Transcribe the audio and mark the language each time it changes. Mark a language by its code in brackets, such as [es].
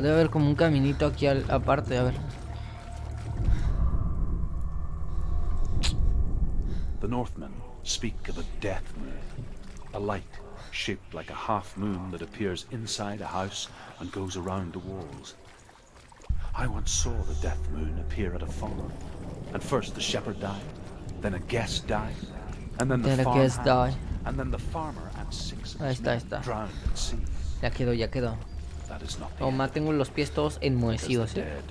[es] Debe haber como un caminito aquí al, aparte, a ver. [en] The Northmen speak of a death moon, a light shaped like a half moon that appears inside a house and goes around the walls. I once saw the death moon appear at a farm. And first the shepherd died, then a guest died, and then the guest died, and then the farmer and six drowned at sea. [es] Ya quedó, ya quedó. Oh, ma, tengo los pies todos enmohecidos, ¿sí?